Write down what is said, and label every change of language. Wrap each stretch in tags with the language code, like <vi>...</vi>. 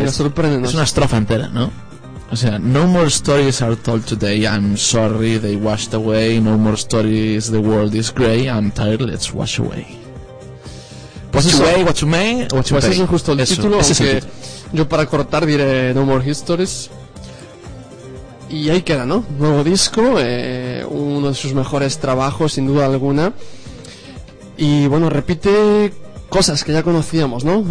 <es>Es una estrofa entera, ¿no? O sea,</es> <en>no more stories are told today, I'm sorry they washed away. No more stories, the world is grey, I'm tired, let's wash away. What you pay?</en> <es>Pues eso es justo el título. Yo para cortar diré No More Histories. Y ahí queda, ¿no? Nuevo disco, uno de sus mejores trabajos, sin duda alguna. Y bueno, repite cosas que ya conocíamos, ¿no?</es>